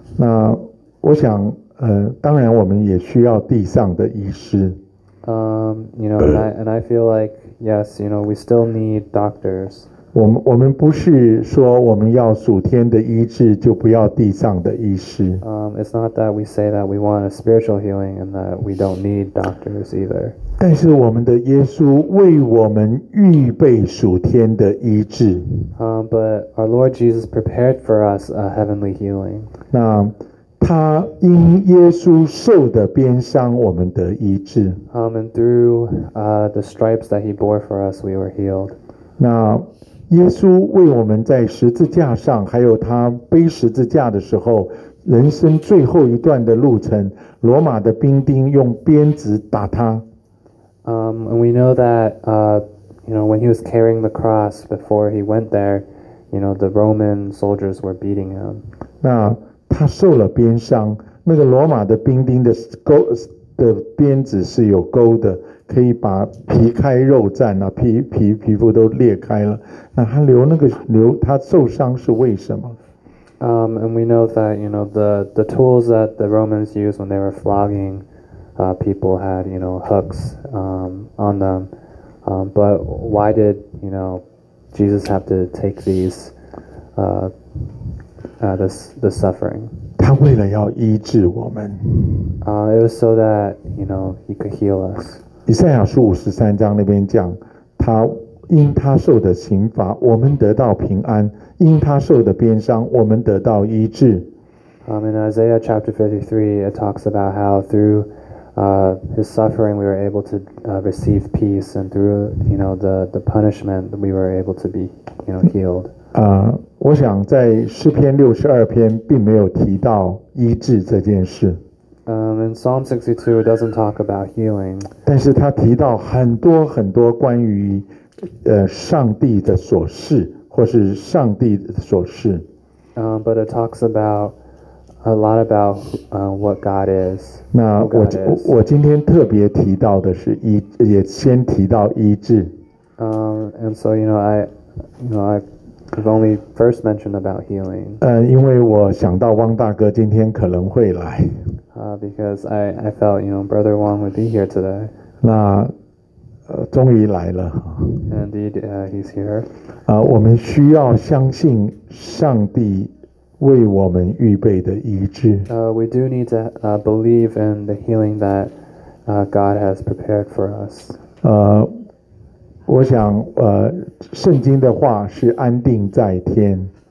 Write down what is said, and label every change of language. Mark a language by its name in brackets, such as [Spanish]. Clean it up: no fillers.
[Chinese] 那我想，当然我们也需要地上的医师。 [English] You know, and I feel like, yes, you know, we still need doctors. [Chinese] 我们不是说我们要属天的医治就不要地上的医师。 [English] It's not that we say that we want a spiritual healing and that we don't need doctors either. [Chinese] 但是我们的耶稣为我们预备属天的医治。 [English] But our Lord Jesus prepared for us a heavenly healing. [Chinese] 那他因耶稣受的鞭伤，我们得医治。 [English] And through the stripes that he bore for us, we were healed. [Chinese] 那耶稣为我们在十字架上，还有他背十字架的时候，人生最后一段的路程，罗马的兵丁用鞭子打他。 [English] And we know that, you know, when he was carrying the cross before he went there, you know, the Roman soldiers were beating him. [Chinese] 那他受了鞭伤，那个罗马的兵丁的钩的鞭子是有钩的，可以把皮开肉绽啊，皮肤都裂开了。那他流那个流，他受伤是为什么？ [English] And we know that you know the tools that the Romans used when they were flogging, people had you know hooks on them. But why did you know Jesus have to take these? The suffering. [Chinese] 他为了要医治我们。 [English] It was so that you know he could heal us. [Chinese] 以赛亚书五十三章那边讲，他因他受的刑罚，我们得到平安；因他受的鞭伤，我们得到医治。 [English] In Isaiah chapter 53, it talks about how through his suffering we were able to receive peace, and through you know the punishment we were able to be you know healed. [Chinese] 我想在诗篇六十二篇并没有提到医治这件事。 [English] In Psalm 62 it doesn't talk about healing. [Chinese] 但是他提到很多很多关于上帝的琐事或是上帝的琐事。 [English] But it talks about a lot about what God is. [Chinese] 那我今天特别提到的是也先提到医治。 [English] And so you know I've only first mentioned about healing. [Chinese] 因为我想到汪大哥今天可能会来。 [English] Because I felt, you know, Brother Wang would be here today. [Chinese] 那终于来了。 [English] Indeed, he's here. [Chinese] 我们需要相信上帝为我们预备的医治。 [English] We do need to believe in the healing that God has prepared for us. [Chinese] 我想圣经的话是安定在天。